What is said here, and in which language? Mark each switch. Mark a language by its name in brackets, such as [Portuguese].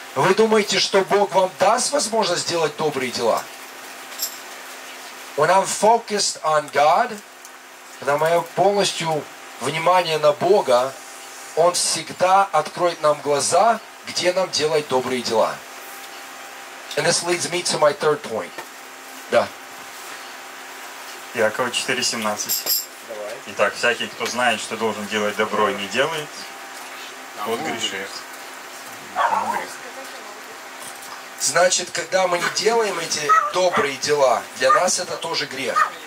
[Russian] Вы думаете, что Бог вам даст возможность сделать добрые дела? [English] When I'm focused on God, [Russian] когда мое полностью внимание на Бога, Он всегда откроет нам глаза, где нам делать добрые дела. [English] And this leads me to my third point. [Russian] Да. Иакова 4:17. Итак, всякий, кто знает, что должен делать добро и не делает, тот грешит. Значит, когда мы не делаем эти добрые дела, для нас это тоже грех.